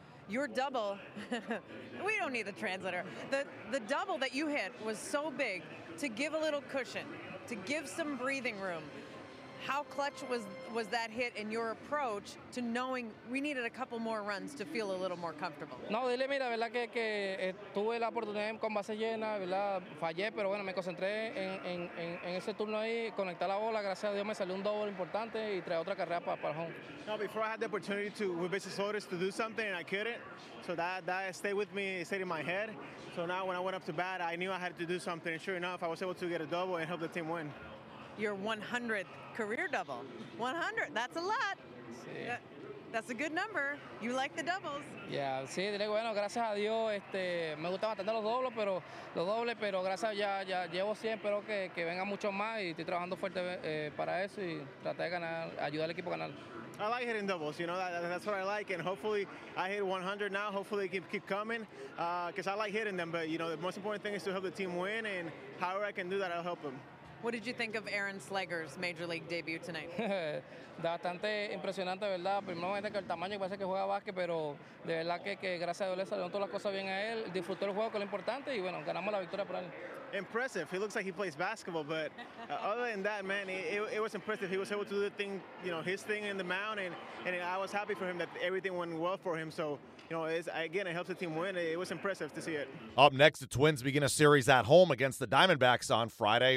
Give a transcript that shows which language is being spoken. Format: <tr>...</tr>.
<en>Your double, we don't need the translator. The double that you hit was so big to give a little cushion, to give some breathing room. How clutch was that hit in your approach to knowing we needed a couple more runs to feel a little more comfortable?</en> <es>No, dile, mira, verdad que tuve la oportunidad con base llena, verdad, fallé, pero bueno, me concentré en ese turno ahí, conectar la bola, gracias a Dios me salió un doble importante y trae otra carrera para home.</es> <en>No, before I had the opportunity to with bases loaded to do something and I couldn't, so that stayed with me, it stayed in my head. So now when I went up to bat, I knew I had to do something, and sure enough, I was able to get a double and help the team win. Your 100th career double. 100, that's a lot.</en> <es>Sí.</es> <en>That's a good number. You like the doubles.</en> <es>Yeah, sí, diré, bueno, gracias a Dios, me gusta bastante los dobles, pero gracias, ya llevo 100, espero que vengan muchos más, y estoy trabajando fuerte para eso, y traté de ganar, ayudar al equipo a ganar.</es> <en>I like hitting doubles, you know, that's what I like, and hopefully I hit 100 now, hopefully they keep coming, because I like hitting them, but, you know, the most important thing is to help the team win, and however I can do that, I'll help them. What did you think of Aaron Slager's major league debut tonight?</en> <es>Bastante impresionante, verdad. Primeramente que el tamaño, parece que juega básquet, pero de verdad que gracias a Dios le salieron todas las cosas bien a él. Disfrutó el juego, que es lo importante, y bueno, ganamos la victoria por él.</es> <en>Impressive. He looks like he plays basketball, but other than that, man, it was impressive. He was able to do the thing, you know, his thing in the mound, and I was happy for him that everything went well for him. So, you know, it helps the team win. It was impressive to see it. Up next, the Twins begin a series at home against the Diamondbacks on Friday.</en>